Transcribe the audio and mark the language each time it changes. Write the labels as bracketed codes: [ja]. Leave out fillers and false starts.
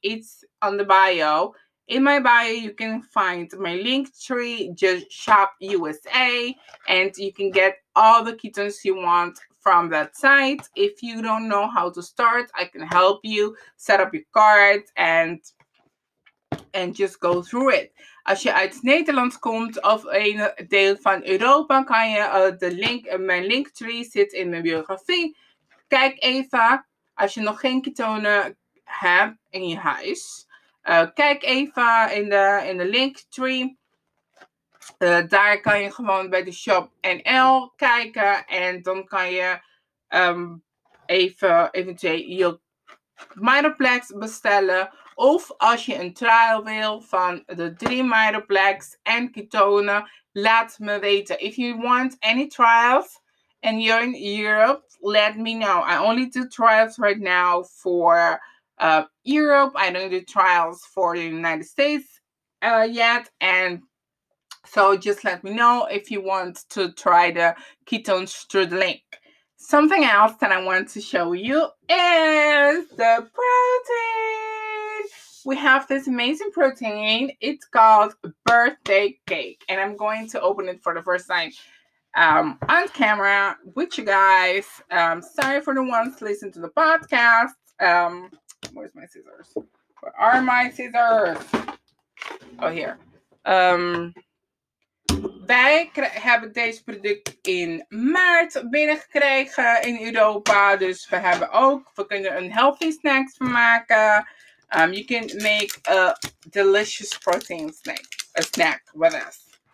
[en] It's on the bio. In my bio, you can find my link tree, just shop USA, and you can get all the ketones you want from that site. If you don't know how to start, I can help you set up your card and just go through it. [nl] Als je uit Nederland komt of een deel van Europa, kan je de link, mijn linktree zit in mijn biografie. Kijk even, als je nog geen ketonen hebt in je huis, kijk even in de linktree. Daar kan je gewoon bij de shop NL kijken en dan kan je even eventueel je Mitoplex bestellen. Of als je een trial wil van de 3 Mitoplex en ketone, laat me weten. [en] If you want any trials and you're in Europe, let me know. I only do trials right now for Europe. I don't do trials for the United States yet. And so just let me know if you want to try the ketones through the link. Something else that I want to show you is the protein. We have this amazing protein. It's called birthday cake. And I'm going to open it for the first time on camera with you guys. Sorry for the ones listening to the podcast. Where's my scissors? Where are my scissors? Oh, here. [nl] Wij hebben deze product in maart binnengekregen in Europa. Dus we hebben ook, we kunnen een healthy snack van maken. [en] You can make a delicious protein snack, a snack with us.